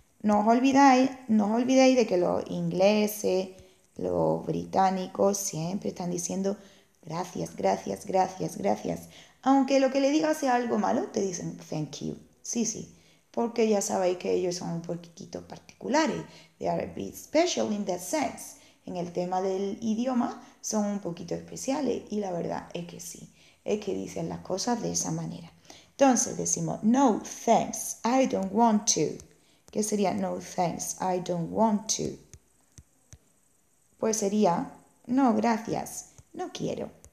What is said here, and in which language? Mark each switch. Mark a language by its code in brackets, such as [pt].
[es] No os olvidéis de que los ingleses, los británicos, siempre están diciendo gracias, gracias, gracias, gracias. Aunque lo que le digas sea algo malo, te dicen [en] thank you. [es] Sí, sí. Porque ya sabéis que ellos son un poquito particulares. [en] They are a bit special in that sense. [es] En el tema del idioma, son un poquito especiales. Y la verdad es que sí. Es que dicen las cosas de esa manera. Entonces decimos, [en] no, thanks, I don't want to. [es] ¿Qué sería [en] no, thanks, I don't want to? [es] Pues sería, no, gracias, no quiero.